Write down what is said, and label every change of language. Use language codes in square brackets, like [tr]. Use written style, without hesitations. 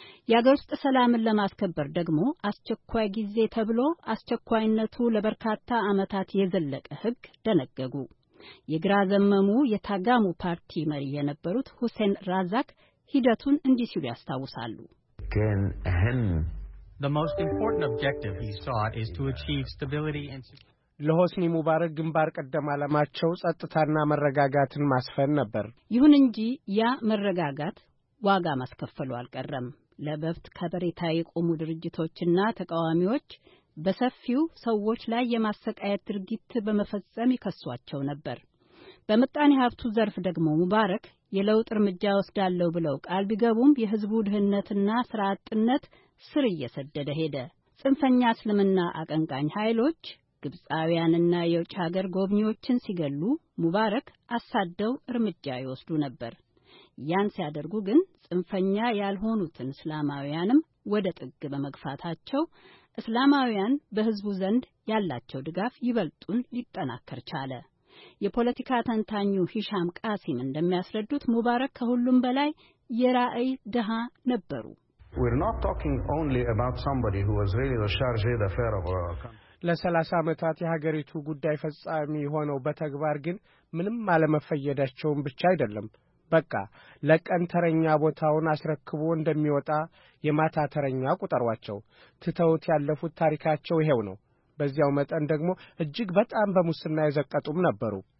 [am] የአገር ውስጥ ሰላምን ለማስከበር ደግሞ አስቸኳይ ጊዜ ተብሎ አስቸኳይነቱ ለበርካታ ዓመታት የዘለቀ ሕግ ደነገጉ። የግራ ዘመሙ የታጋሙ ፓርቲ መሪ የነበሩት ሁሴን ራዛክ ሂደቱን እንዲህ ሲሉ ያስታውሳሉ። [en] The most important objective he sought is to achieve stability and security. [am] ለሆስኒ ሙባረክ ግንባር ቀደም አለማቸው ጸጥታና መረጋጋትን ማስፈን ነበር። ይሁን እንጂ ያ መረጋጋት ዋጋ ማስከፈሉ አልቀረም። ለበፍት ከበሬታ የቆሙ ድርጅቶችና ተቃዋሚዎች በሰፊው ሰዎች ላይ የማሰቃየት ድርጊት በመፈጸም ይከሷቸው ነበር። በመጣኔ ሀብቱ ዘርፍ ደግሞ ሙባረክ የለውጥ እርምጃ ወስዳለው ብለው ቃል ቢገቡም የህዝቡ ድህነትና ስራ አጥነት ስር እየሰደደ ሄደ። ጽንፈኛ እስልምና አቀንቃኝ ኃይሎች ግብጻውያንና የውጭ ሀገር ጎብኚዎችን ሲገሉ ሙባረክ አሳደው እርምጃ ይወስዱ ነበር። ያን ሲያደርጉ ግን ጽንፈኛ ያልሆኑትን እስላማውያንም ወደ ጥግ በመግፋታቸው እስላማውያን በህዝቡ ዘንድ ያላቸው ድጋፍ ይበልጡን ሊጠናከር ቻለ። የፖለቲካ ተንታኙ ሂሻም ቃሲም እንደሚያስረዱት ሙባረክ ከሁሉም በላይ የራእይ ድሃ ነበሩ። [en] We're not talking only about somebody who was really the chargé d'affaires of our country. [am] ለ30 አመታት የሀገሪቱ ጉዳይ ፈጻሚ ሆነው በተግባር ግን ምንም አለመፈየዳቸውን ብቻ አይደለም በቃ ለቀን ተረኛ ቦታውን አስረክቦ እንደሚወጣ የማታ ተረኛ ቁጠሯቸው። ትተውት ያለፉት ታሪካቸው ይሄው ነው። በዚያው መጠን ደግሞ እጅግ በጣም በሙስና የዘቀጡም ነበሩ።